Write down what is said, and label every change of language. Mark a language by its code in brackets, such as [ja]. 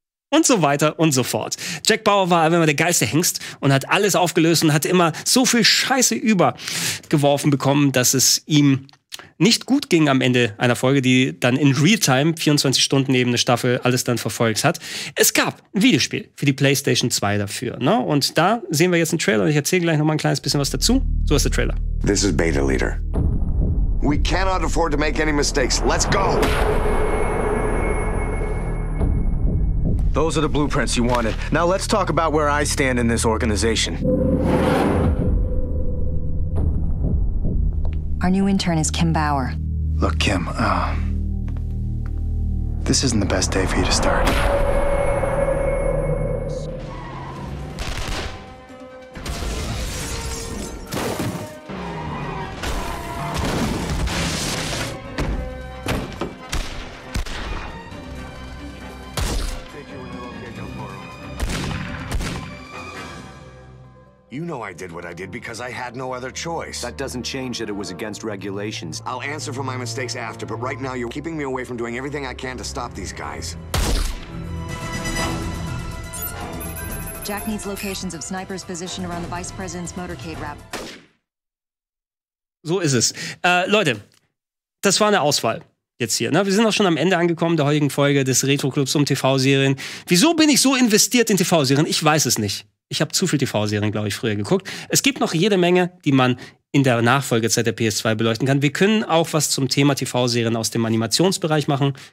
[de] Und so weiter und so fort. Jack Bauer war immer der geilste Hengst und hat alles aufgelöst und hat immer so viel Scheiße übergeworfen bekommen, dass es ihm nicht gut ging am Ende einer Folge, die dann in Realtime, 24 Stunden eben eine Staffel, alles dann verfolgt hat. Es gab ein Videospiel für die PlayStation 2 dafür. Ne? Und da sehen wir jetzt einen Trailer und ich erzähle gleich noch mal ein kleines bisschen was dazu. So ist der Trailer. [en] This is Beta Leader. We cannot afford to make any mistakes. Let's go! Those are the blueprints you wanted. Now let's talk about where I stand in this organization. Our new intern is Kim Bauer. Look, Kim, this isn't the best day for you to start. You know I did what I did because I had no other choice. That doesn't change that it was against regulations. I'll answer for my mistakes after, but right now you're keeping me away from doing everything I can to stop these guys. Jack needs locations of snipers positioned around the Vice President's motorcade wrap. [de] So ist es. Leute, das war eine Auswahl. Jetzt hier. Na, wir sind auch schon am Ende angekommen der heutigen Folge des Retro-Clubs um TV-Serien. Wieso bin ich so investiert in TV-Serien? Ich weiß es nicht. Ich habe zu viel TV-Serien, glaube ich, früher geguckt. Es gibt noch jede Menge, die man in der Nachfolgezeit der PS2 beleuchten kann. Wir können auch was zum Thema TV-Serien aus dem Animationsbereich machen.